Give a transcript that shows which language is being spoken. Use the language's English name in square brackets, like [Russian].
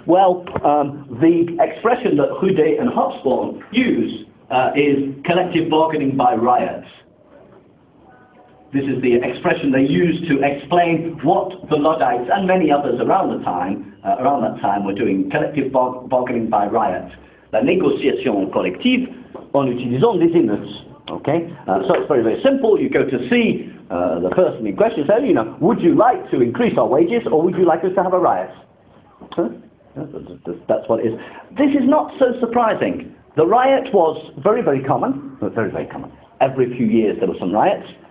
[English] Well, the expression that Houdet and Hobsbawm use is collective bargaining by riots. This is the expression they used to explain what the Luddites and many others around that time were doing, collective bargaining by riots. [French] La négociation collective en utilisant les émeutes. [English] Okay? So it's very, very simple. You go to see the person in question, say, would you like to increase our wages or would you like us to have a riot? Huh? That's what it is. This is not so surprising. The riot was very, very common, very, very common. Every few years there were some riots.